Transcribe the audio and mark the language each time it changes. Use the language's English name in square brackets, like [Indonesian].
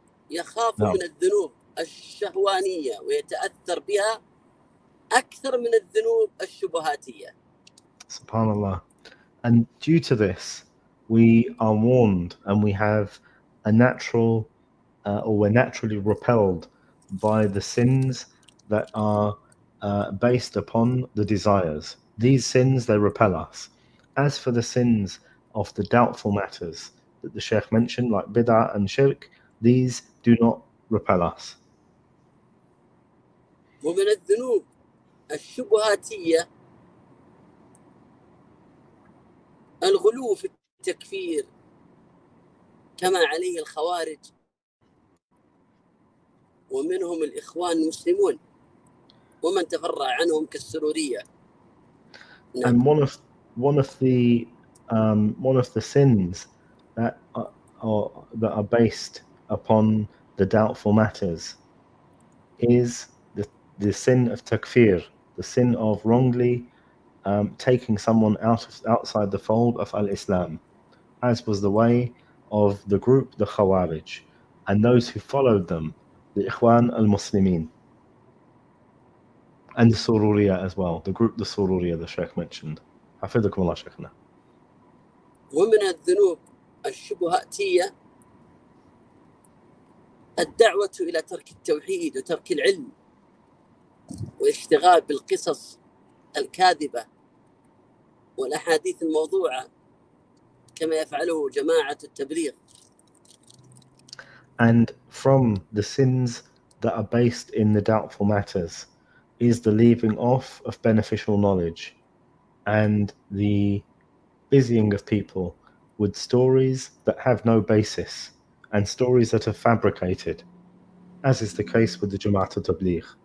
[Arabic] يخاف من الذنوب الشهوانية ويتأثر بها أكثر من الذنوب الشبهاتية. Subhanallah. [English] And due to this, we are warned, and we have we're naturally repelled by the sins that are based upon the desires. These sins, they repel us. As for the sins of the doubtful matters that the Shaykh mentioned, like bid'ah and shirk, these do not repel us. [Arabic] ومن الذنوب الشبهاتية الغلو في التكفير كما عليه الخوارج ومنهم الإخوان المسلمون ومن تفرع عنهم كالسرورية. [English] And one of the sins that are based upon the doubtful matters is the sin of takfir, the sin of wrongly taking someone outside the fold of al-Islam, as was the way of the group, the Khawarij, and those who followed them, the Ikhwan al-Muslimin, and the Sururiya as well, the group, the Sururiya, the Shaykh mentioned. [Arabic] Hafidhukum Allah, Shaykhna. ومن الذنوب الشبهاتية الدعوة إلى ترك التوحيد وترك العلم والاشتغال بالقصص الكاذبة والأحاديث الموضوعة كما يفعله جماعة التبليغ. [English] And from the sins that are based in the doubtful matters is the leaving off of beneficial knowledge and the busying of people with stories that have no basis and stories that are fabricated, as is the case with the Jama'at al-Tabligh.